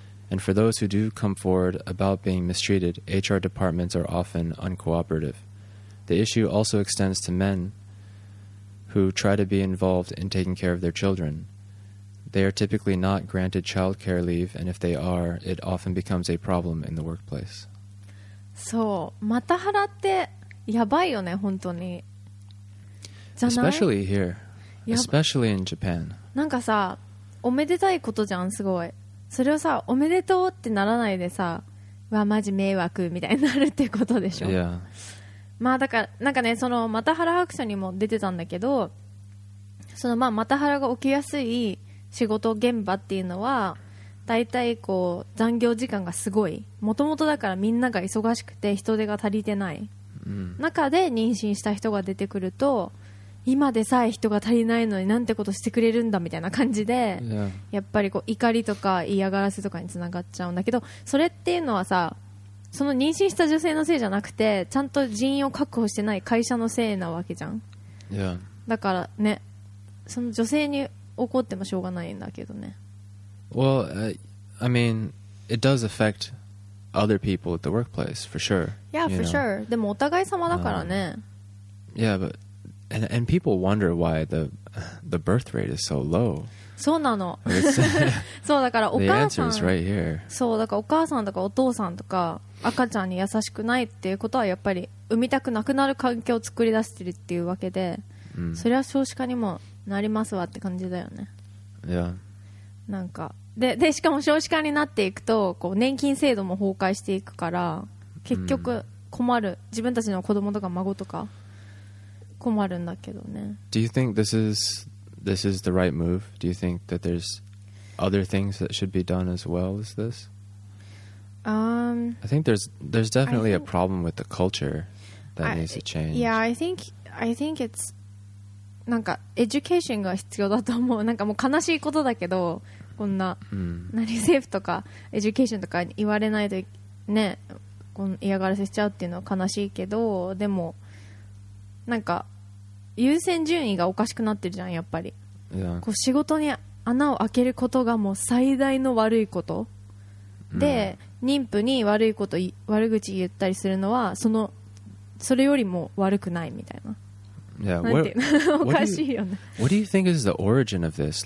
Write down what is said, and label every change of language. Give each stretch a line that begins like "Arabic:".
English: And for those who do come forward about being mistreated, HR departments are often uncooperative. The issue also extends to men who try to be involved in taking care of their children. They are typically not granted child care leave, and if they are, it often becomes a problem in the workplace.
Japanese: そう、マタハラってやばいよね、本当に。じゃない?
English: Especially here. Especially in Japan.
Japanese: なんかさ、おめでたいことじゃん、すごい。それをさ、おめでとうってならないでさ、わ、マジ迷惑みたいになるってことでしょ。
English: Yeah.
Japanese: まあだから、なんかね、そのマタハラ白書にも出てたんだけど、そのまあマタハラが起きやすい仕事現場っていうのは、だいたいこう残業時間がすごい、もともとだからみんなが忙しくて人手が足りてない、うん、中で妊娠した人が出てくると、今でさえ人が足りないのになんてことしてくれるんだみたいな感じで、
English: yeah.
Japanese: やっぱりこう怒りとか嫌がらせとかにつながっちゃうんだけど、それっていうのはさ、その妊娠した女性のせいじゃなくて、ちゃんと人員を確保してない会社のせいなわけじゃん、
English: yeah.
Japanese: だからね、その女性に怒ってもしょうがないんだけどね。
English: Well, I mean, it does affect other people at the workplace, for sure. Yeah, for sure.
Japanese: でもお互い様だからね。
English: Yeah, but and people wonder why the birth rate is so low.
Japanese: そうなの。そうだからお母さん。
English: The answer is right here.
Japanese: そうだからお母さんとかお父さんとか赤ちゃんに優しくないっていうことは、やっぱり産みたくなくなる環境を作り出してるっていうわけで、それは少子化にも。なりますわって感じだよね。いや、なんか でしかも少子化になっていくと、こう年金制度も崩壊していくから、結局困る、自分たちの子供とか孫とか困るんだけどね。
English: Do you think this is the right move? Do you think that there's other things that should be done as well as this? I think there's definitely a problem with the culture that needs to change. Yeah, I think it's
Japanese: なんかエデュケーションが必要だと思う。なんかもう悲しいことだけど、こんな何政府とかエデュケーションとかに言われないとね、この嫌がらせしちゃうっていうのは悲しいけど、でもなんか優先順位がおかしくなってるじゃん、やっぱり、
English: yeah.
Japanese: こう仕事に穴を開けることがもう最大の悪いこと、mm. で妊婦に悪いこと、悪口言ったりするのはそれよりも悪くないみたいな。
English: Yeah, what do you think is the origin of this?